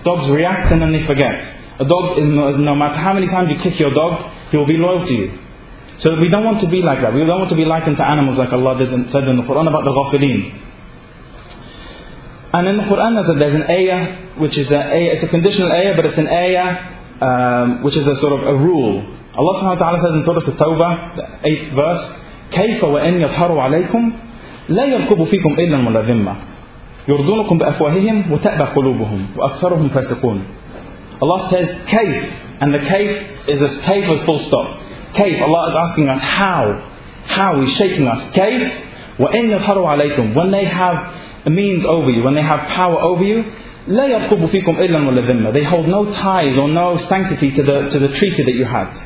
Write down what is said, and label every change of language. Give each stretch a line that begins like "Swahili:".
English: Dogs react and then they forget. A dog, no matter how many times you kick your dog, he will be loyal to you. So we don't want to be like that. We don't want to be likened to animals, like Allah did and said in the Quran about the ghafileen. And in the Quran, there's an ayah, which is an ayah, it's a conditional ayah, but it's an ayah which is a sort of a rule. Allah subhanahu wa ta'ala says in Surah At-Tawbah, the 8th verse,
Arabic: كَيْفَ وَإِنْ يَظْهَرُوا عَلَيْكُمْ لَا يَرْكُبُوا فِيكُمْ إِلَّا وَلَا ذِمَّةٌ يُرْضُونَكُمْ بِأَفْوَاهِهِمْ وَتَأْبَى قُلُوبُهُمْ وَأَكْثَرُهُمْ فَاسِقُونَ.
English: Allah says, كَيْف, and the كَيْف is a كَيْف as full stop. كَيْف, Allah is asking us, how, He's shaking us.
Arabic: كَيْف وَإِنْ يَظْهَرُوا عَلَيْكُمْ,
English: when they have means over you, when they have power over you,
Arabic: لَا يَرْكُبُوا فِيكُمْ إِلَّا وَلَا ذِمَّةٌ,
English: they hold no ties or no sanctity to the treaty that you have.